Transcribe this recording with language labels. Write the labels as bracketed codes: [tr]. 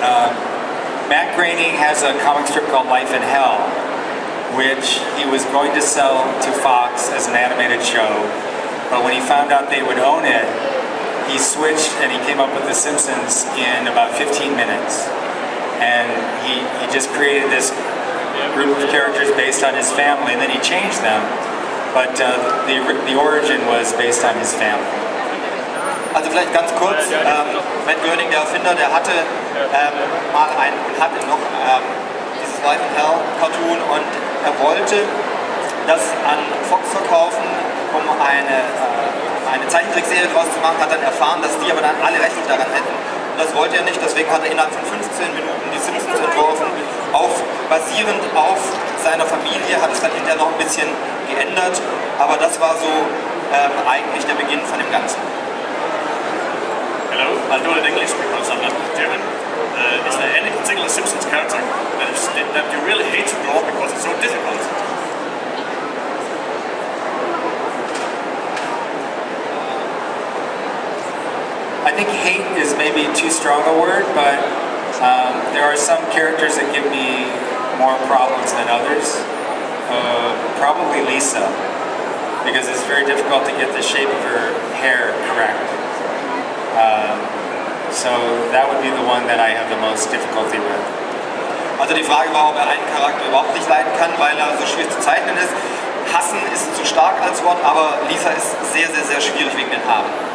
[en] Matt Groening has a comic strip called Life in Hell, which he was going to sell to Fox as an animated show, but when he found out they would own it, he switched and he came up with The Simpsons in about 15 minutes. And he just created this group of characters based on his family, and then he changed them, but the origin was based on his family. [de] Also vielleicht ganz kurz, Matt Groening, der Erfinder, der hatte mal einen, hatte noch dieses Life in Hell Cartoon und er wollte das an Fox verkaufen, um eine Zeichentrickserie draus zu machen, hat dann erfahren, dass die aber dann alle Rechte daran hätten. Und das wollte er nicht, deswegen hat er innerhalb von 15 Minuten die Simpsons entworfen. Basierend auf seiner Familie hat es dann hinterher noch ein bisschen geändert, aber das war so eigentlich der Beginn von dem Ganzen. [en] Hello, I'll do it in English because I'm not German. Is there any particular Simpsons character that you really hate to draw because it's so difficult? I think hate is maybe too strong a word, but there are some characters that give me more problems than others. Probably Lisa, because it's very difficult to get the shape of her hair correct. So that would be the one that I have the most difficulty with. [de] Also die Frage war, ob er einen Charakter überhaupt nicht leiden kann, weil er so schwierig zu zeichnen ist. Hassen ist zu stark als Wort, aber Lisa ist sehr, sehr, sehr schwierig wegen den Haaren.